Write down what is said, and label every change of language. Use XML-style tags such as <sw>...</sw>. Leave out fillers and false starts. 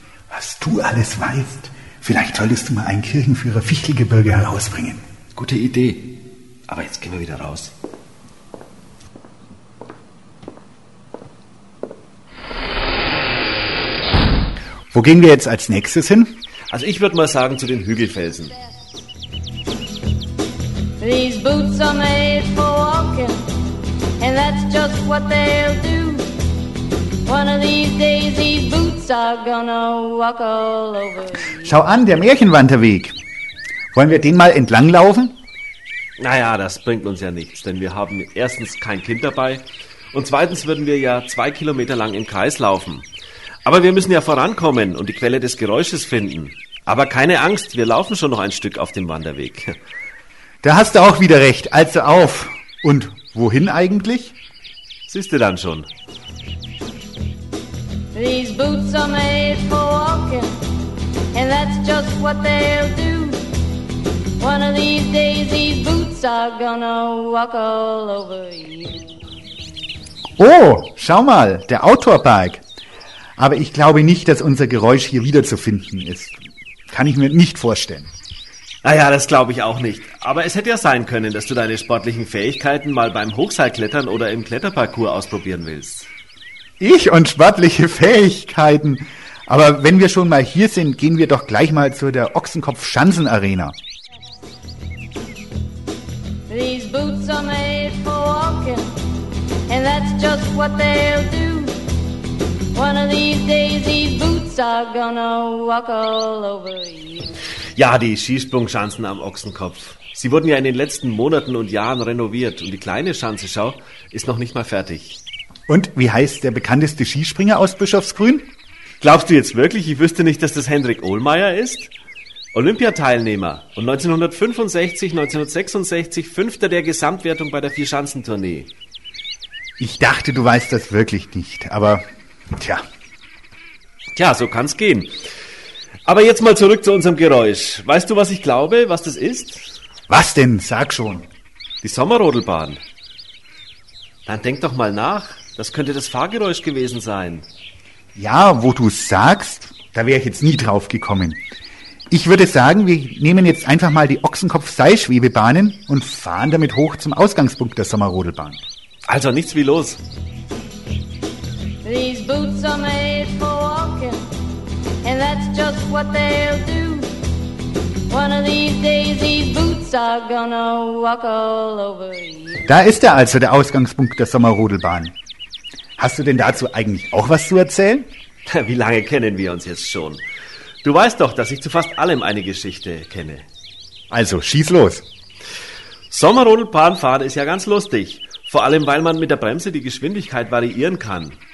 <de>Was du alles weißt, vielleicht solltest du mal einen Kirchenführer Fichtelgebirge herausbringen. Gute Idee. Aber jetzt gehen wir wieder raus. Wo gehen wir jetzt als nächstes hin? Also ich würde mal sagen, zu den Hügelfelsen.</de> <en>These boots are made for walking, and that's just what they'll do. One of these days these boots are gonna walk all over you.</en> <de>Schau an, der Märchenwanderweg. Wollen wir den mal entlanglaufen? Naja, das bringt uns ja nichts, denn wir haben erstens kein Kind dabei und zweitens würden wir ja 2 Kilometer lang im Kreis laufen. Aber wir müssen ja vorankommen und die Quelle des Geräusches finden. Aber keine Angst, wir laufen schon noch ein Stück auf dem Wanderweg. Da hast du auch wieder recht. Also auf. Und wohin eigentlich? Siehst du dann schon.</de> <en>These boots are made for walking, and that's just what they'll do. One of these days these boots are gonna walk all over you.</en> <de>Oh, schau mal, der Outdoor-Park. Aber ich glaube nicht, dass unser Geräusch hier wiederzufinden ist. Kann ich mir nicht vorstellen. Naja, das glaube ich auch nicht. Aber es hätte ja sein können, dass du deine sportlichen Fähigkeiten mal beim Hochseilklettern oder im Kletterparcours ausprobieren willst. Ich und sportliche Fähigkeiten. Aber wenn wir schon mal hier sind, gehen wir doch gleich mal zu der Ochsenkopf-Schanzen-Arena.</de> <en>These boots are made for walking, and that's just what they'll do. One of these days these boots are gonna walk all over you.</en> <de>Ja, die Skisprungschanzen am Ochsenkopf. Sie wurden ja in den letzten Monaten und Jahren renoviert und die kleine Schanze, schau, ist noch nicht mal fertig. Und wie heißt der bekannteste Skispringer aus Bischofsgrün? Glaubst du jetzt wirklich, ich wüsste nicht, dass das Hendrik Ohlmeier ist? Olympiateilnehmer und 1965, 1966 Fünfter der Gesamtwertung bei der Vierschanzentournee. Ich dachte, du weißt das wirklich nicht, aber... Tja. Tja, so kann's gehen. Aber jetzt mal zurück zu unserem Geräusch. Weißt du, was ich glaube, was das ist? Was denn? Sag schon. Die Sommerrodelbahn. Dann denk doch mal nach. Das könnte das Fahrgeräusch gewesen sein. Ja, wo du's sagst, da wäre ich jetzt nie drauf gekommen. Ich würde sagen, wir nehmen jetzt einfach mal die Ochsenkopf-Seilschwebebahnen und fahren damit hoch zum Ausgangspunkt der Sommerrodelbahn. Also nichts wie los.</de> <en>These boots are made for walking, and that's just what they'll do. One of these days these boots are gonna walk all over you.</en> <de>Da ist er also, der Ausgangspunkt der Sommerrodelbahn. Hast du denn dazu eigentlich auch was zu erzählen? Wie lange kennen wir uns jetzt schon? Du weißt doch, dass ich zu fast allem eine Geschichte kenne. Also, schieß los. Sommerrodelbahnfahren ist ja ganz lustig. Vor allem, weil man mit der Bremse die Geschwindigkeit variieren kann.</de>